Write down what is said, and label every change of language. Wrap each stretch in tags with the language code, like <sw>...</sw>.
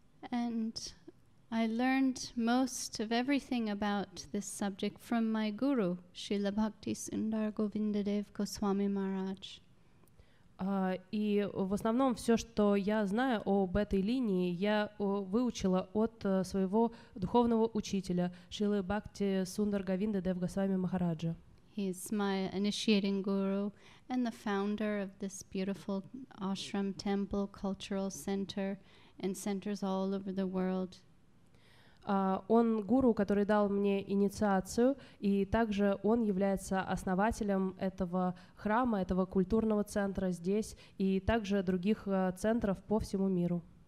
<en>And I learned most of everything about this subject from my guru, Srila Bhakti Sundar Govindadev Goswami Maharaj.</en> <ru>И в основном все, что я знаю об этой линии, я выучила от своего духовного учителя, Шрилы Бхакти Сундар Говиндадев Госвами Махараджа.</ru> <en>He's my initiating guru and the founder of this beautiful ashram, temple, cultural center and centers all over the world.</en> <ru>Он гуру, который дал мне инициацию, и также он является основателем этого храма, этого культурного центра здесь, и также других центров по всему миру.</ru>